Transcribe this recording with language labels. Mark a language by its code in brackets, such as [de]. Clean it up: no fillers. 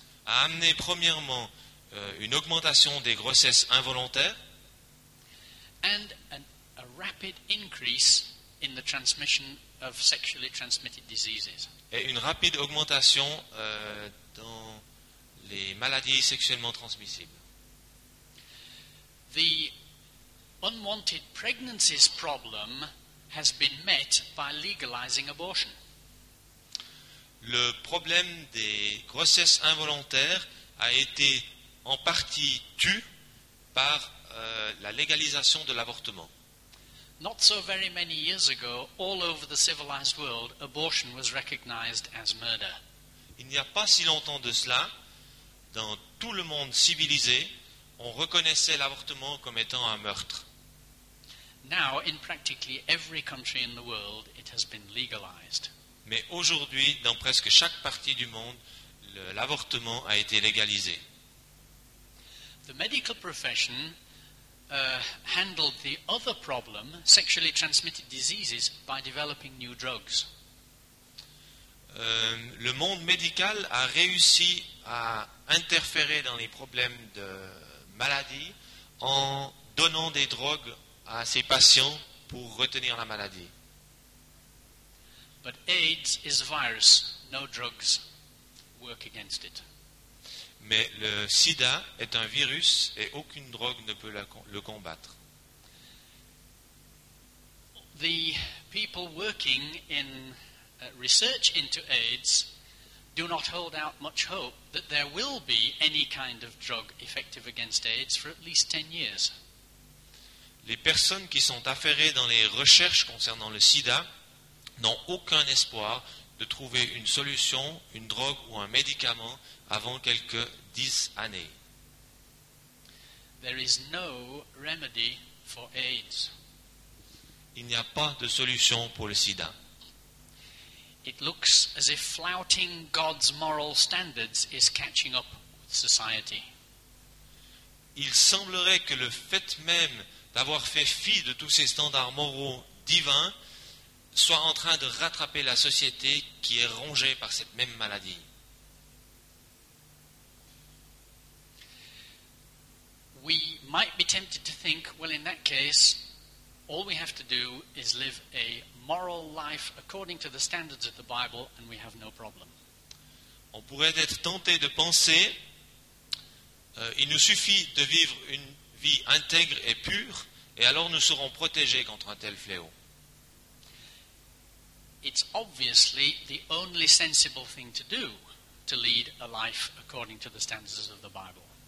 [fr] A amené premièrement une augmentation des grossesses involontaires [en] and a rapid increase in the transmission of sexually transmitted diseases. [fr] Et une rapide augmentation dans les maladies sexuellement transmissibles. [en] The unwanted pregnancies problem has been met by legalizing abortion. [fr] Le problème des grossesses involontaires a été en partie tué par la légalisation de l'avortement. [en] Not so very many years ago, all over the civilized world, abortion was recognized as murder. [fr] Il n'y a pas si longtemps de cela, dans tout le monde civilisé, on reconnaissait l'avortement comme étant un meurtre. [en] Now, in practically every country in the world, it has been legalized. [fr] Mais aujourd'hui, dans presque chaque partie du monde, l'avortement a été légalisé. [en] The medical profession handled the other problem, sexually transmitted diseases, by developing new drugs. [fr] Le monde médical a réussi à interférer dans les problèmes de maladie en donnant des drogues à ses patients pour retenir la maladie. [en] But AIDS is a virus. No drugs work against it. [fr] Mais le sida est un virus et aucune drogue ne peut le combattre. [en] The people working in research into AIDS do not hold out much hope that there will be any kind of drug effective against AIDS for at least 10 years. [fr] Les personnes qui sont affairées dans les recherches concernant le sida n'ont aucun espoir de trouver une solution, une drogue ou un médicament avant quelques 10 années. [en] There is no remedy for AIDS. [fr] Il n'y a pas de solution pour le sida. [en] It looks as if flouting God's moral standards is catching up with society. [fr] Il semblerait que le fait même d'avoir fait fi de tous ces standards moraux divins soit en train de rattraper la société qui est rongée par cette même maladie. [en] We might be tempted to think, well, in that case, all we have to do is live a moral life according to the standards of the Bible, and we have no problem. [fr] On pourrait être tenté de penser, il nous suffit de vivre une vie intègre et pure, et alors nous serons protégés contre un tel fléau. [en] It's obviously the only sensible thing to do, to lead a life according to the standards of the Bible.